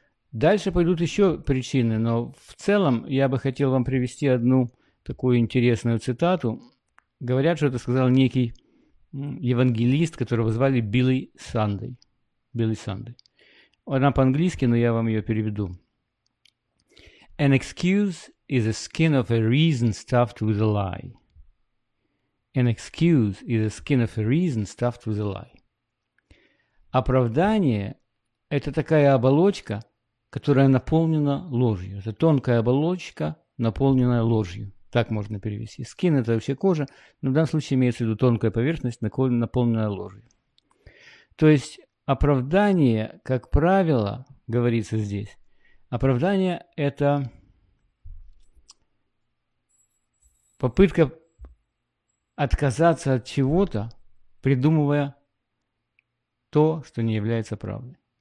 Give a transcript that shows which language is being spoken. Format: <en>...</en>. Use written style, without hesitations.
<ru>Дальше пойдут еще причины, но в целом я бы хотел вам привести одну такую интересную цитату. Говорят, что это сказал некий евангелист, которого звали Билли Сандей. Она по-английски, но я вам ее переведу.</ru> <en>An excuse is a skin of a reason stuffed with a lie. An excuse is a skin of a reason stuffed with a lie.</en> <ru>Оправдание – это такая оболочка, которая наполнена ложью. Это тонкая оболочка, наполненная ложью. Так можно перевести. Скин – это вообще кожа, но в данном случае имеется в виду тонкая поверхность, наполненная ложью. То есть оправдание, как правило, говорится здесь, оправдание – это попытка отказаться от чего-то, придумывая то, что не является правдой.</ru>